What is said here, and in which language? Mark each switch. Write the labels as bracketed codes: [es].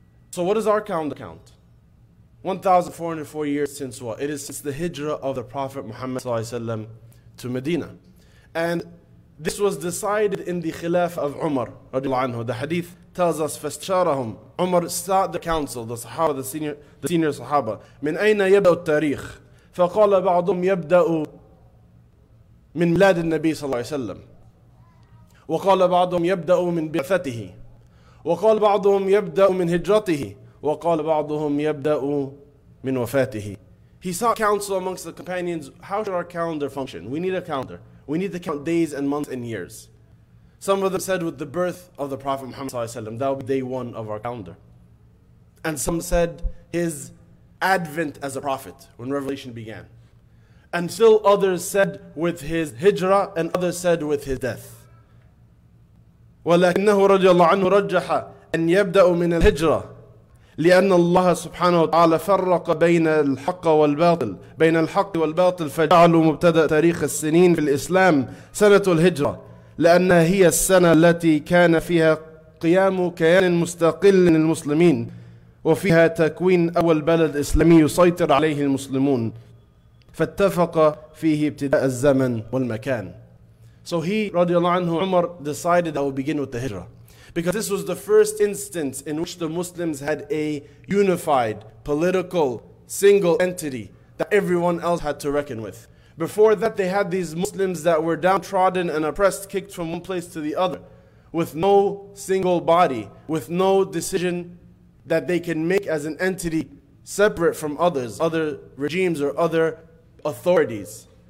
[en] So what does our calendar count? 1,404 years since what? It is since the hijrah of the Prophet Muhammad sallallahu alaihi wasallam to Medina. And this was decided in the Khilaf of Umar radiallahu anhu. The hadith tells us, [ar] فَاسْتَشَارَهُمْ [en] Umar sought the council, the Sahaba, the senior Sahaba. [ar] مِنْ أَيْنَ يَبْدَأُ التَّارِيخ فَقَالَ بَعْضُهُمْ يَبْدَأُ مِنْ مِلَادِ النَّبِي صلى الله عليه وسلم وَقَالَ بَعْضُهُمْ يَبْدَأُ مِنْ بِعْثَتِهِ وَقَالَ بَعْضُهُمْ يَبْدَأُ مِنْ هِجْرَتِهِ وَقَالَ بَعْضُهُمْ يَبْدَأُ مِنْ وَفَاتِهِ [en] He sought counsel amongst the companions. How should our calendar function? We need a calendar. We need to count days and months and years. Some of them said with the birth of the Prophet Muhammad sallallahu alaihi wasallam, that would be day one of our calendar. And some said his advent as a prophet when revelation began. And still others said with his hijrah, and others said with his death. [ar] وَلَكِنَّهُ رَضِيَ اللَّهُ عَنْهُ رَجَّحَ أَنْ يَبْدَأُ مِنَ الْهِجْرَةِ لِأَنَّ اللَّهَ سُبْحَانَهُ وَتَعَالَى فَرَّقَ بَيْنَ الْحَقِّ وَالْبَاطِلِ بين الحق والباطل فجعلوا مبتدأ تاريخ السنين في الإسلام سنة الهجرة لأنها هي السنة التي كان فيها قيام كيان مستقل للمسلمين وفيها تكوين أول بلد إسلامي يسيطر عليه المسلمون فاتفق فيه ابتداء الزمن والمكان. [en] So he, [ar] رضي الله عنه, [en] Umar, decided that we begin with the hijrah. Because this was the first instance in which the Muslims had a unified, political, single entity that everyone else had to reckon with. Before that, they had these Muslims that were downtrodden and oppressed, kicked from one place to the other, with no single body, with no decision that they can make as an entity separate from others, other regimes or other authorities.